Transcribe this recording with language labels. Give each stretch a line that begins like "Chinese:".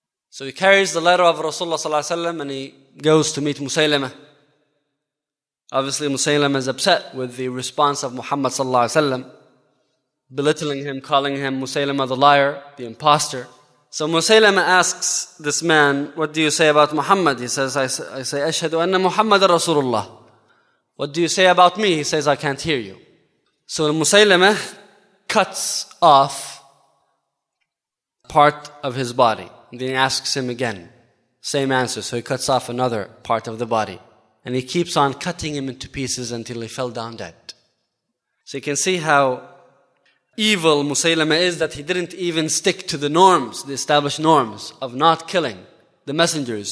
English: So he carries the letter of Rasulullah Sallallahu Alaihi Wasallam and he goes to meet Musaylimah. Obviously Musaylimah is upset with the response of Muhammad Sallallahu Alaihi Wasallam, belittling him, calling him Musaylimah the liar, the imposter. So Musaylimah asks this man, what do you say about Muhammad? He says, I say,
Arabic: أَشْهَدُ أَنَّ مُحَمَّدًا رَسُولُ اللَّهِ.
English: What do you say about me? He says, I can't hear you. So Musaylimah cuts off part of his body. And then he asks him again. Same answer. So he cuts off another part of the body. And he keeps on cutting him into pieces until he fell down dead. So you can see how evil Musaylimah is, that he didn't even stick to the norms, the established norms of not killing the messengers.